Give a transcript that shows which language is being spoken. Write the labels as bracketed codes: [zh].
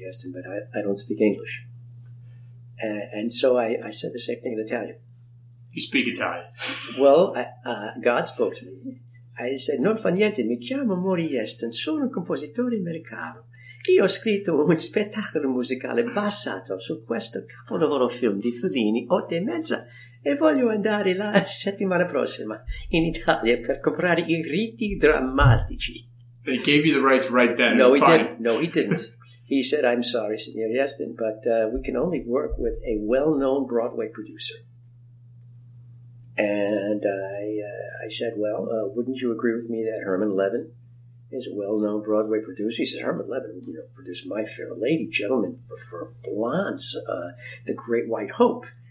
[en] Yeston, but I don't speak English. And so I said the same thing in Italian. You speak Italian? Well, God spoke to me. [it] I said, non fa niente, mi chiamo Maury Yeston, sono un compositore americano. Io ho scritto un spettacolo musicale basato su questo capolavoro film di Fellini, 8½, e voglio andare la settimana prossima in Italia per comprare i riti drammatici. [en] They gave you the rights right then. No, he didn't. No, he didn't. He said, I'm sorry, Signor Yeston, but we can only work with a well-known Broadway producer. And I said, well, wouldn't you agree with me that Herman Levin is a well-known Broadway producer? He says, Herman Levin, you know, produced My Fair Lady, Gentlemen Prefer Blondes, The Great White Hope.